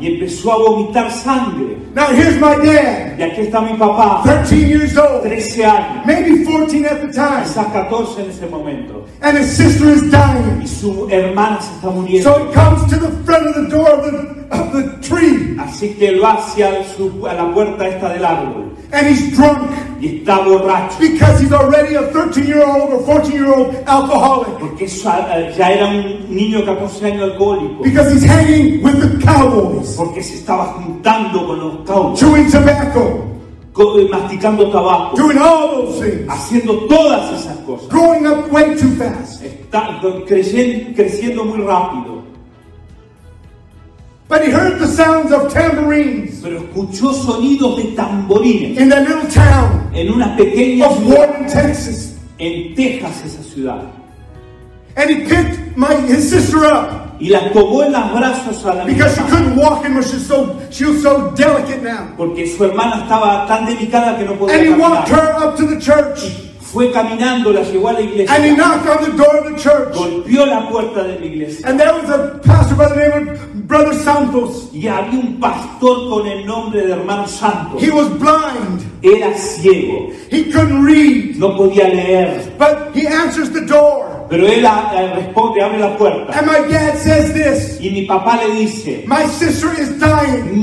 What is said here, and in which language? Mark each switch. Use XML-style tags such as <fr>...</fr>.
<es>Y empezó a vomitar sangre.</es> <en>Now here's my dad.</en> <es>Y aquí está mi papá.</es> <en>13 years old.</en> <es>13 años.</es> <en>Maybe 14 at the time.</en> <es>Quizás 14 en ese momento.</es> <en>And his sister is dying.</en> <es>Y su hermana se está muriendo.</es> <en>So he comes to the front of the door of the tree.</en> <es>Así que él va hacia a la puerta esta del árbol.</es> <en>And he's drunk.</en> <es>Y está borracho.</es> <en>Because he's already a 13-year-old or 14-year-old alcoholic.</en> <es>Porque ya era un niño de 14 años alcohólico.</es> <en>Because he's hanging with the cowboys.</en> <es>Porque se estaba juntando con los cowboys.</es> <en>Chewing tobacco.</en> <es>Masticando tabaco.</es> <en>Doing all those things.</en> <es>Haciendo todas esas cosas.</es> <en>Growing up way too fast.</en> <es>Está creciendo muy rápido.</es> <en>But he heard the sounds of tambourines.</en> <es>Pero escuchó sonidos de tamborines.</es> <en>In that little town.</en> <es>En una pequeña</es> <en>of Warden, Texas.</en> <es>En Texas, esa ciudad.</es> <en>And he picked his sister up.</en> <es>Y la tomó en los brazos a la</es> <en>mujer. Because she couldn't walk anymore. She was so delicate now.</en> <es>Porque su hermana estaba tan delicada que no podía caminar.</es> <en>he walked her up to the church.</en> <es>Fue caminando, la llevó a la iglesia.</es> <en>And he knocked on the door of the church.</en> <es>Golpeó la puerta de la iglesia.</es> <en>And there was a pastor by the name of Brother Santos.</en> <es>Y había un pastor con el nombre de Hermano Santos.</es> <en>He was blind.</en> <es>Era ciego.</es> <en>He couldn't read.</en> <es>No podía leer.</es> <en>But he answers the door.</en> <es>Pero él responde, abre la puerta.</es> <en>And my dad says this.</en> <es>Y mi papá le dice,</es> <en>my sister is dying.</en>